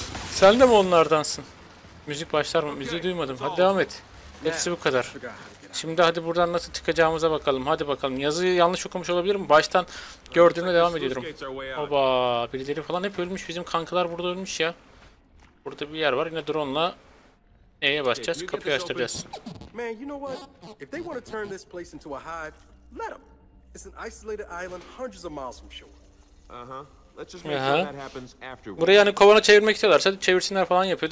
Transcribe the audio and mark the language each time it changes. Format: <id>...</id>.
<tr>Sen de mi onlardansın? Müzik başlar mı? Müziği duymadım. Hadi devam et. Hepsi bu kadar. Şimdi hadi buradan nasıl çıkacağımıza bakalım. Hadi bakalım. Yazıyı yanlış okumuş olabilirim. Baştan gördüğümle devam ediyorum. Oba, birileri falan hep ölmüş. Bizim kankalar burada ölmüş ya. Burada bir yer var. Yine drone'la neye başlayacağız? Kapıyı açtıracağız.</tr> <en>Man, you know what? If they want to turn this place into a hive, let them. It's an isolated island hundreds of miles from shore. Aha.</en> <tr>Burayı hani kovana çevirmek istiyorlarsa çevirsinler falan yapıyor.</tr>